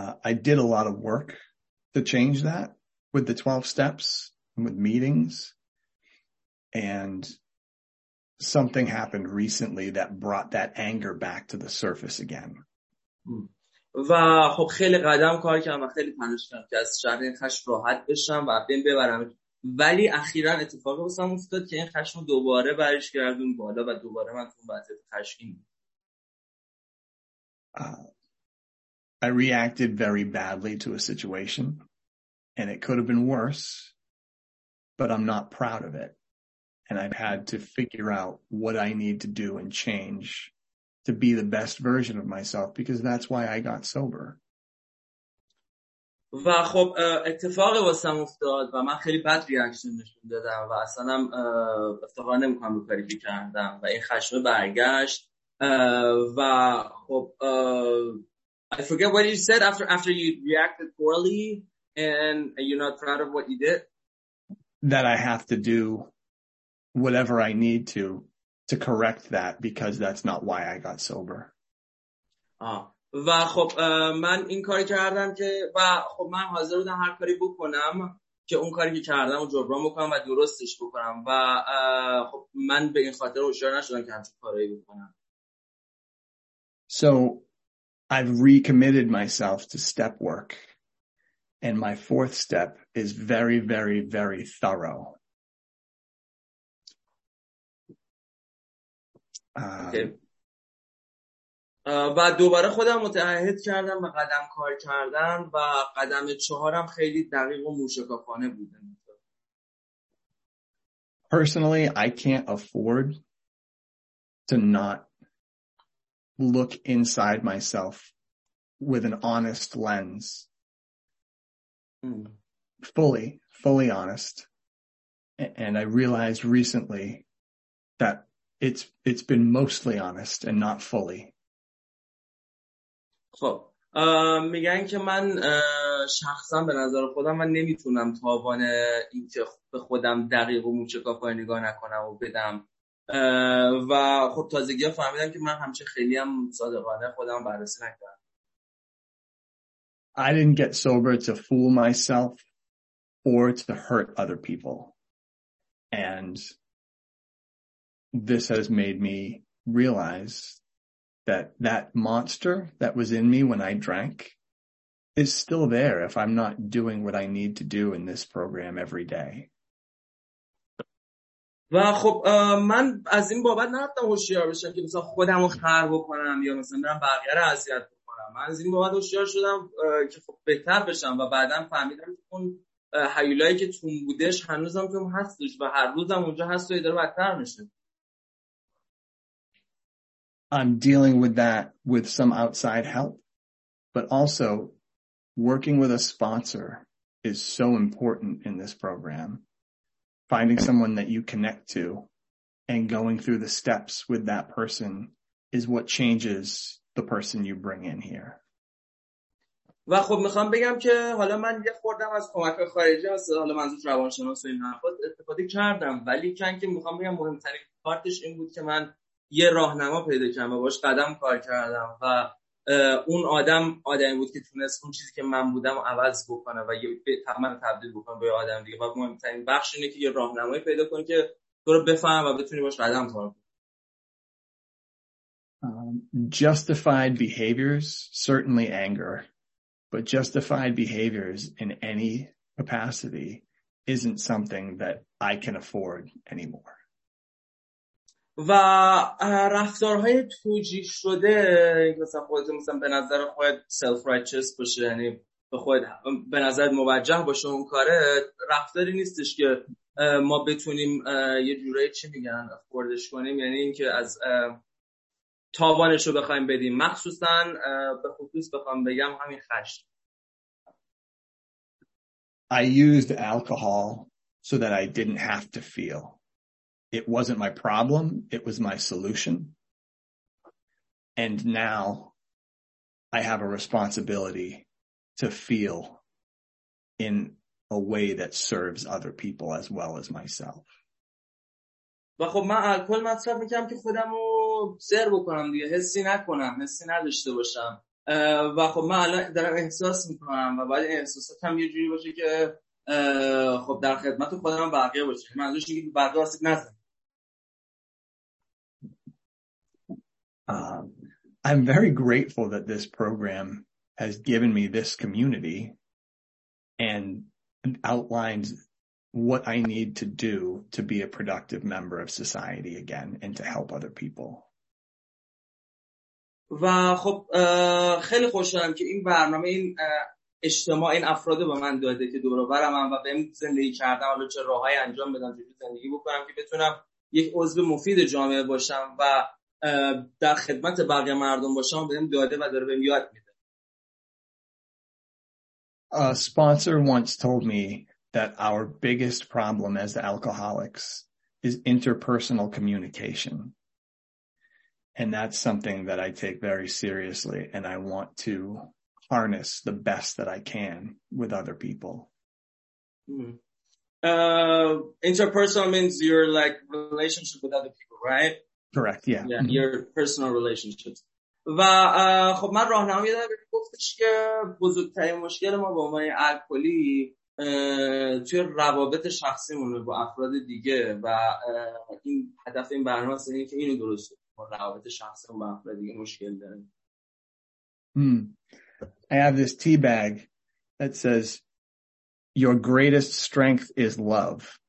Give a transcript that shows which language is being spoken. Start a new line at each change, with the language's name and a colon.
English: I did a lot of work to change that with the 12 steps and with meetings. And something happened recently that brought that anger back to the surface again.
Persian: و خب خیلی قدم کار کردم و خیلی تلاش کردم که از شر این خشم راحت بشم و بعدین ببرم، ولی اخیرا اتفاقی واسم افتاد که این خشم دوباره برش گردون بالا و دوباره من تو وضعیت خشمگین.
English: I reacted very badly to a situation, and it could have been worse, but I'm not proud of it. And I've had to figure out what I need to do and change to be the best version of myself, because that's why I got sober.
Persian: و خب اتفاقی واسم افتاد و من خیلی بد ریاکشن نشون دادم و اصلا هم افتخار نمیکنم به کاری که کردم و این خشم برگشت و خب
English: I forget what you said after you reacted poorly and you're not proud of what you did. That I have to do whatever I need to correct that because that's not why I got sober. آه.
Persian: و خب من این کاری کردم که و خب من حاضر بودم هر کاری بکنم که اون کاری که کردم رو جبران بکنم و درستش بکنم و خب من به این خاطر هوشیار نشدم که همچین کاری بکنم.
English: So I've recommitted myself to step work and my fourth step is very very very thorough.
Persian: و دوباره خودم متعهد کردم به قدم کار کردن و قدم چهارم خیلی دقیق و موشکافانه بود.
English: Personally, I can't afford to not look inside myself with an honest lens. Fully, fully honest. And I realized recently that it's been mostly honest and not fully.
Persian: خب میگن که من شخصا به نظر خودم من نمیتونم توان این که به خودم دقیق و موچکافانه نگاه نکنم و بدم و خب تازگی ها فهمیدم که من همچه خیلی هم صادقانه خودم بررسی نکردم.
English: I didn't get sober to fool myself or to hurt other people. And this has made me realize that monster that was in me when I drank is still there if I'm not doing what I need to do in this program every day.
Persian: و خب من از این بابت نهتم هوشیار بشم که مثلا خودم رو خراب بکنم یا مثلا برم بقیه رو اذیت بکنم. من از این بابت هوشیار شدم که خب بهتر بشم و بعدا فهمیدم که اون هیولایی که توم بودش هنوزم توم هستش و هر روزم اونجا هست و یه داره بدتر میشه.
English: I'm dealing with that with some outside help, but also working with a sponsor is so important in this program. Finding someone that you connect to and going through the steps with that person is what changes the person you bring in here.
Persian: و خب میخوام بگم که حالا من یه خوردم از کمک خارجی هست، حالا منظور روانشناس و این حرفات استفاده کردم، ولی کن که میخوام بگم مهمترین پارتش این بود که من یه راهنما پیدا کردم و باش قدم کار کردم و اون آدم آدمی بود که تونست اون چیزی که من بودم رو عوض بکنه و یه تمام تبدیل بکنه به آدم دیگه. و مهمترین بخش اینه که یه راهنمایی پیدا کنی که تو رو بفهم و بتونی باش قدم کار کنی.
English: Justified behaviors, certainly anger, but justified behaviors in any capacity isn't something that I can afford anymore.
Persian: و رفتارهای توجیه شده مثلا خودت مثلا به نظر خودت سلف رایچس باشه، یعنی به خودت به نظر موجه باشه، اون کاره رفتاری نیستش که ما بتونیم یه جوری چی میگن افوردش کنیم، یعنی اینکه از تاوانش رو بخوایم بدیم، مخصوصا به خصوص بخوام بگم همین خشم.
English: I used alcohol so that I didn't have to feel. It wasn't my problem, it was my solution. And now I have a responsibility to feel in a way that serves other people as well as myself.
Persian: و خب من الکل مصرف میکنم که خودم رو سر بکنم دیگه، حسی نکنم، حسی نداشته باشم. و خب من الان دارم احساس میکنم و باید احساساتم یه جوری باشه که خب در خدمت خودم بقیه باشه. منظورش اینه که بقیه آسیب نزنه.
English: I'm very grateful that this program has given me this community and outlines what I need to do to be a productive member of society again and to help other people.
Persian: و خب خیلی خوشحالم که این برنامه این اجتماع این افراد به من داده که دور و برم و بهم زندگی کردم و چه راههای انجام بدم که زندگی بکنم که بتونم یک عضو مفید جامعه باشم و در خدمت بقیه مردم باشم، بهم داده و داره بهم یاد میده.
English: A sponsor once told me that our biggest problem as alcoholics is interpersonal communication. And that's something that I take very seriously, and I want to harness the best that I can with other people. Interpersonal means your like relationship with other people, right? Correct. Yeah. Yeah. Mm-hmm. Your personal relationships.
Persian: و خب من راهنمایی دادم گفتش که بزرگترین مشکل ما با عنوان الکلی توی روابط شخصیمونه با افراد دیگه و این هدف این برنامه است این که اینو درست کنیم روابط شخصیمون با افراد دیگه مشکل داریم.
English: I have this tea bag that says your greatest strength is love.